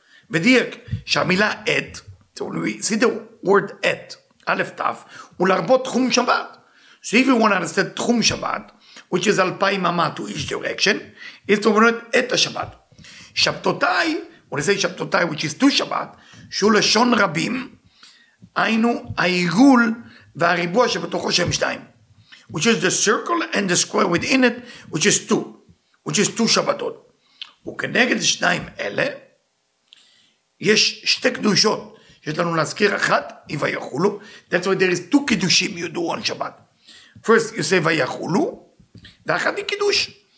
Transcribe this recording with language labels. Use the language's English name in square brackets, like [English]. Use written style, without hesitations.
[Hebrew] בדייק, שהמילה את, [English] so we see the word [Hebrew] את, א' ת', הוא לרבות תחום שבת, [English] so if you want to understand [Hebrew] תחום שבת, [English] which is 2,000 amah to each direction, it's to learn [Hebrew] את השבת, שבתותיי, [English] when he say [Hebrew] שבתותיי, which is two שבת, שהוא לשון רבים, היינו העיגול, והריבוע שבתוכו שהם שתיים. [English] Which is the circle and the square within it, which is two. Which is two שבתות. [Hebrew] וכנגד שניים אלה, יש שתי קדושות, שיש לנו להזכיר אחת, היא ויחולו. [English] That's why there is two קידושים you do on שבת. First you say [Hebrew] ויחולו, ואחת היא קידוש.